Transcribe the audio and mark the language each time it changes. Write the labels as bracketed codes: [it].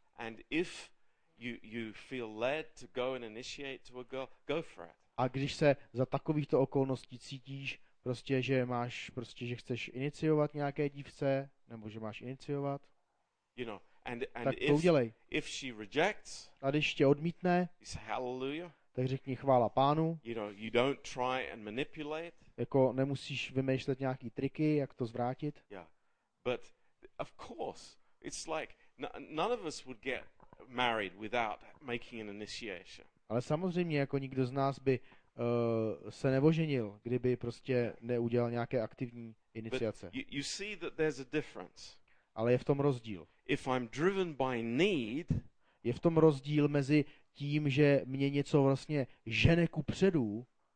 [en] And if you feel led to go and initiate to a girl, go for it. [cs] A když se za takovýchto okolností cítíš, prostě že máš, prostě že chceš iniciovat nějaké dívce, nebo že máš iniciovat. [en] You know. And [cs] tak to udělej. [en] If she rejects, [cs] a když tě odmítne, tak řekni chvála Pánu. [en] You know, you don't try and manipulate. [cs] Jako nemusíš vymýšlet nějaký triky, jak to zvrátit. Yeah. [en] But of course, it's like none of us would get married without making an initiation. [cs] Ale samozřejmě jako nikdo z nás by se neoženil, kdyby prostě neudělal nějaké aktivní iniciace. [en] But you see that there's a difference. [cs] Ale je v tom rozdíl. [en] If I'm driven by need, [cs] je v tom rozdíl mezi tím, že mě něco vlastně žene kupředu,